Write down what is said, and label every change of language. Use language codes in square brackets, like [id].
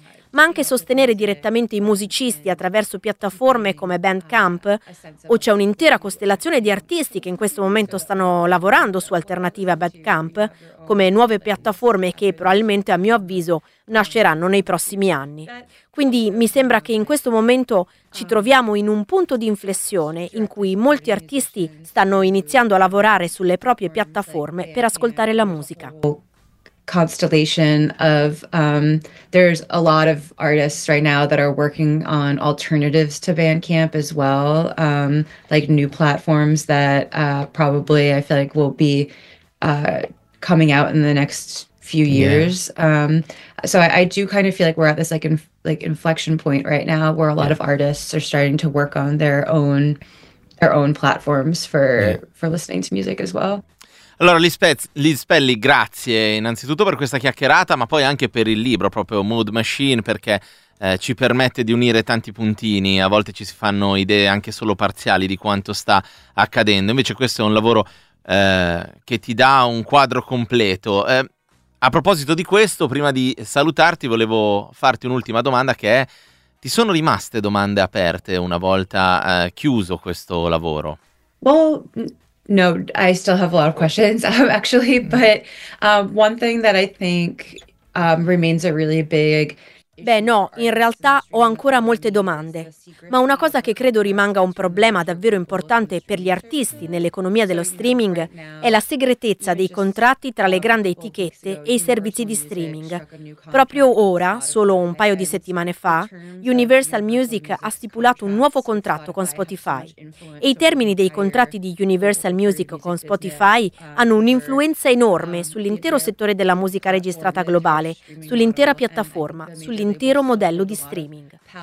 [it] Ma anche sostenere direttamente i musicisti attraverso piattaforme come Bandcamp, o c'è un'intera costellazione di artisti che in questo momento stanno lavorando su alternative a Bandcamp, come nuove piattaforme che probabilmente, a mio avviso, nasceranno nei prossimi anni. Quindi mi sembra che in questo momento ci troviamo in un punto di inflessione in cui molti artisti stanno iniziando a lavorare sulle proprie piattaforme per ascoltare la musica. [en] Constellation of there's a lot of artists right now that are working on alternatives to Bandcamp as well, like new platforms that probably I feel like will be coming out in the next few years. So I do kind of feel like we're at this like inflection point right now where a lot of artists are starting to work on their own platforms for listening to music as well. [it] Allora, Liz Pelli, grazie innanzitutto per questa chiacchierata, ma poi anche per il libro, proprio Mood Machine, perché ci permette di unire tanti puntini. A volte ci si fanno idee anche solo parziali di quanto sta accadendo. Invece questo è un lavoro che ti dà un quadro completo. A proposito di questo, prima di salutarti, volevo farti un'ultima domanda, che è: ti sono rimaste domande aperte una volta chiuso questo lavoro? [en] No, I still have a lot of questions, actually, but one thing that I think remains a really big... [it] Beh, no, in realtà ho ancora molte domande, ma una cosa che credo rimanga un problema davvero importante per gli artisti nell'economia dello streaming è la segretezza dei contratti tra le grandi etichette e i servizi di streaming. Proprio ora, solo un paio di settimane fa, Universal Music ha stipulato un nuovo contratto con Spotify, e i termini dei contratti di Universal Music con Spotify hanno un'influenza enorme sull'intero settore della musica registrata globale, sull'intera piattaforma, sull'intero modello di streaming.